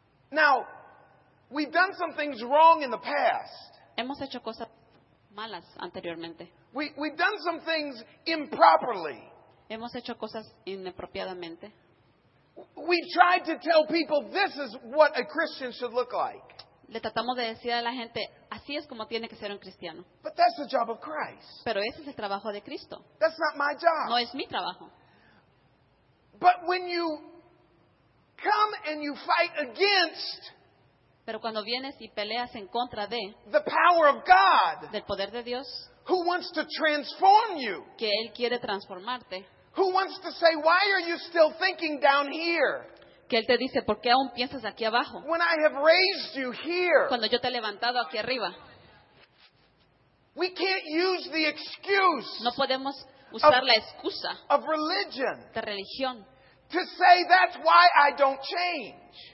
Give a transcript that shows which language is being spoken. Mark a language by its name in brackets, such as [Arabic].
[English] Now, we've done some things wrong in the past. [Spanish] Hemos hecho cosas malas anteriormente. [English] We've done some things improperly. [Spanish] Hemos hecho cosas inapropiadamente. [English] We've tried to tell people this is what a Christian should look like. [Spanish] Le tratamos de decir a la gente, así es como tiene que ser un cristiano. [English] But that's the job of Christ. [Spanish] Pero ese es el trabajo de Cristo. [English] That's not my job. [Spanish] No es mi trabajo. [English] But when you come and you fight against [Spanish] Pero cuando vienes y peleas en contra de [English] the power of God, [Spanish] del poder de Dios, [English] who wants to transform you, [Spanish] que Él quiere transformarte, [English] who wants to say, why are you still thinking down here? [Spanish] Que Él te dice, ¿por qué aún piensas aquí abajo? [English] When I have raised you here, [Spanish] cuando yo te he levantado aquí arriba, [English] we can't use the excuse. [Spanish] No podemos usar la excusa [English] of religion, [Spanish] de religión, [English] to say that's why I don't change.